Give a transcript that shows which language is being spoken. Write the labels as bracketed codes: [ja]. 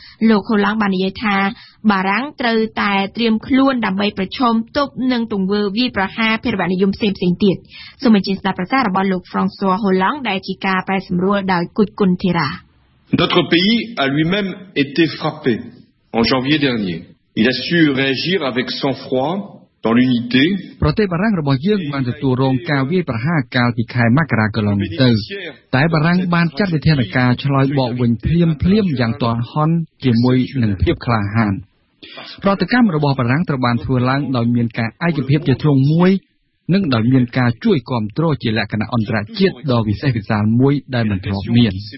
[km] លោកខូឡង់បាននិយាយថាបារាំងត្រូវតែត្រៀមខ្លួនដើម្បីប្រឈមទប់នឹងទង្វើវាយប្រហារភេរវនិយមផ្សេងៗទៀតសូមអញ្ជើញស្ដាប់ប្រសាសន៍របស់លោក François Hollande ដែលជាការប្រែសម្រួលដោយគុជគុណធីរ៉ា [fr] Notre pays a lui-même été frappé en janvier dernier. Il a su réagir avec sang-froid. Dans l'unité, [km] ប្រទេសបារាំងរបស់យើងបានទទួលរងការវាយប្រហារកាលពីខែមករាកន្លងទៅតែបារាំងបានចាត់វិធានការឆ្លើយបកវិញភ្លាមៗយ៉ាងទាន់ហន់ជាមួយនឹងភាពក្លាហានប្រតិកម្មរបស់បារាំងត្រូវបានធ្វើឡើងដោយមានការឯកភាពជាធំមួយនិងដោយមានការជួយគ្រប់គ្រងជាលក្ខណៈអន្តរជាតិដ៏វិសេសវិសាលមួយដែលមិនធ្លាប់មាន